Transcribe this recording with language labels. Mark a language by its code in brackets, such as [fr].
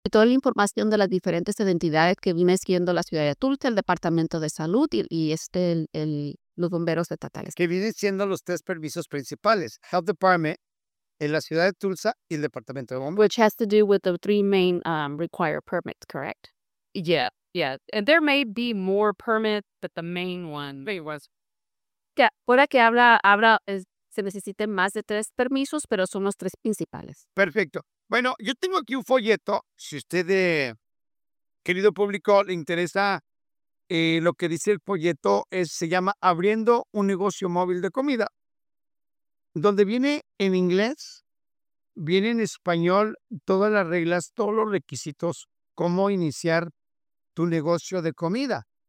[es] y toda la información de las diferentes identidades que viene siendo la ciudad de Tulsa, el departamento de salud y los bomberos estatales. Que vienen siendo los tres permisos principales, Health Department, en la ciudad de Tulsa y el departamento de bomberos. [en] Which has to do with the three main required permits, correct? Yeah, yeah. And there may be more permits, but the main one. Main ones. [es] Yeah, fuera que habla es, se necesiten más de tres permisos, pero son los tres principales. Perfecto. Bueno, yo tengo aquí un folleto. Si usted, querido público, le interesa lo que dice el folleto, se llama Abriendo un negocio móvil de comida, donde viene en inglés, viene en español todas las reglas, todos los requisitos, cómo iniciar tu negocio de comida.